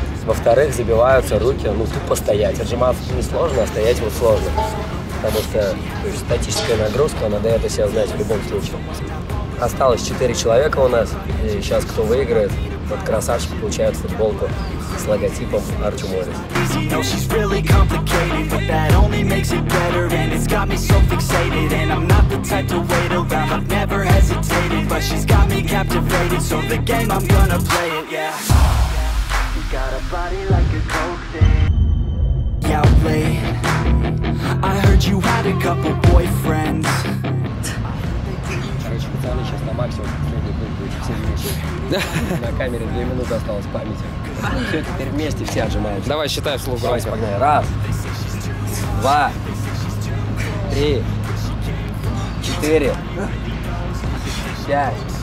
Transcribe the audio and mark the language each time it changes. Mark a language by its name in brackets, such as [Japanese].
[Russian] Во-вторых, забиваются руки, ну, тупо стоять. Отжиматься не сложно, а стоять вот сложно. Потому что статическая нагрузка, она дает о себе знать в любом случае. Осталось 4 человека у нас, и сейчас кто выиграет, тот красавчик получает футболку с логотипом Арчо Моррис. [English] No, she's really complicated, but that only makes it better. And it's got me so fixated, and I'm not the type to wait around. I've never hesitated, but she's got me captivated. So the game, I'm gonna play it, yeah. She got a body like a coke. Yeah, play. I heard you had a couple boyfriends. [Russian] Короче, пацаны, сейчас на максимум будет 7 минут. На камере 2 минуты осталось памяти. Все, теперь вместе все отжимаются. Давай, считай вслух. Давай, погнали. Раз, два, три, четыре, пять.